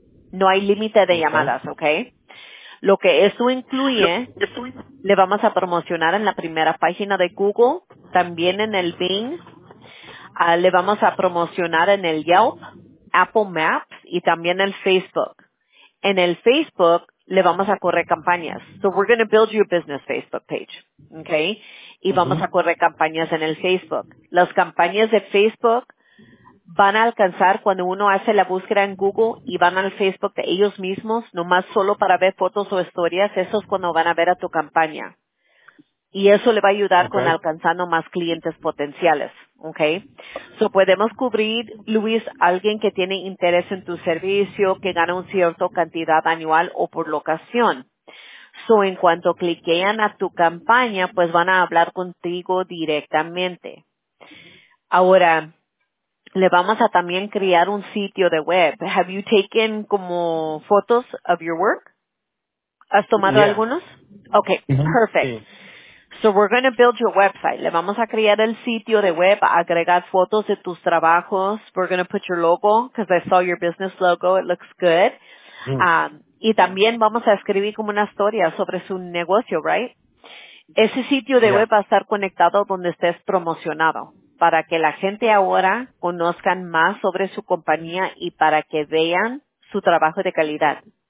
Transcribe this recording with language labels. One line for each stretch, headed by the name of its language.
Spanish: No hay límite de llamadas, okay? Lo que eso incluye, le vamos a promocionar en la primera página de Google, también en el Bing, le vamos a promocionar en el Yelp, Apple Maps y también el Facebook. En el Facebook le vamos a correr campañas.
English: So we're going to build your business Facebook page. Okay?
Spanish: Y vamos a correr campañas en el Facebook. Las campañas de Facebook van a alcanzar cuando uno hace la búsqueda en Google y van al Facebook de ellos mismos, nomás solo para ver fotos o historias, eso es cuando van a ver a tu campaña. Y eso le va a ayudar con alcanzando más clientes potenciales, okay? So podemos cubrir, Luis, alguien que tiene interés en tu servicio, que gana un cierto cantidad anual o por locación. So en cuanto cliquean a tu campaña, pues van a hablar contigo directamente. Ahora, le vamos a también crear un sitio de web.
English: Have you taken
Spanish: como fotos
English: of your work?
Spanish: ¿Has tomado algunos?
English: Okay, perfect.
Spanish: Sí.
English: So we're going to build your website.
Spanish: Le vamos a crear el sitio de web, agregar fotos de tus trabajos.
English: We're going to put your logo because I saw your business logo. It looks good.
Spanish: Y también vamos a escribir como una historia sobre su negocio, right? Ese sitio de web va a estar conectado donde estés promocionado para que la gente ahora conozcan más sobre su compañía y para que vean su trabajo de calidad.